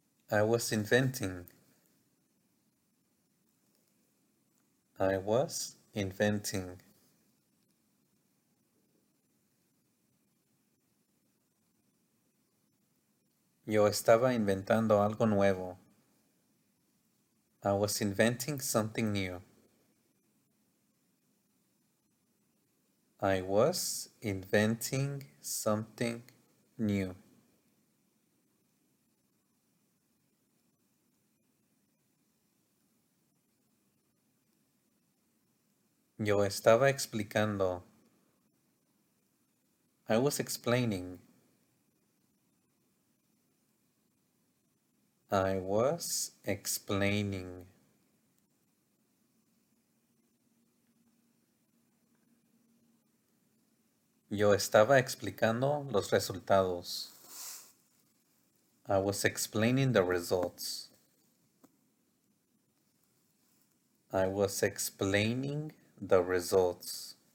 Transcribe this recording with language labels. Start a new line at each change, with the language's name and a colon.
English: I was inventing. I was inventing.
Spanish: Yo estaba inventando algo nuevo.
English: I was inventing something new. I was inventing something new.
Spanish: Yo estaba explicando.
English: I was explaining. I was explaining.
Spanish: Yo estaba explicando los resultados.
English: I was explaining the results. I was explaining the results.